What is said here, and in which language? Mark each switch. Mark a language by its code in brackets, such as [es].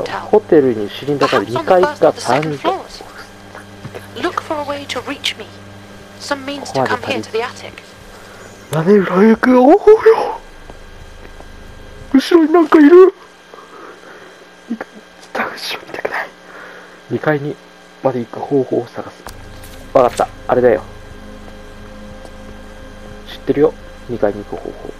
[ja] ホテルにシリンダーがある2階か3階。 [en] Look for a way to reach me. Some means to come here to the attic. [ja] 屋根裏行くよ。おお、後ろになんかいる。後ろ見たくない。2階にまで行く方法を探す。わかった。あれだよ。知ってるよ。2階に行く方法。